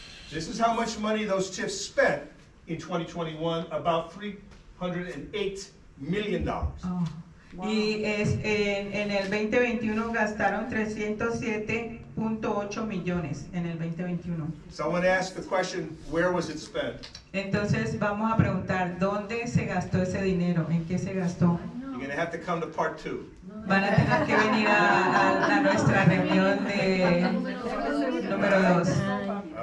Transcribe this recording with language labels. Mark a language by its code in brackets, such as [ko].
[en] This is how much money those TIFs spent in 2021, about $308 million. Oh. Wow. [es] Y es en el 2021 gastaron 307.8 millones en el 2021. [en] Someone asked the question, where was it spent? [es] Entonces vamos a preguntar, ¿dónde se gastó ese dinero? ¿En qué se gastó? [en] You're going to have to come to part two. [es] Van a tener que venir a nuestra reunión de número 2.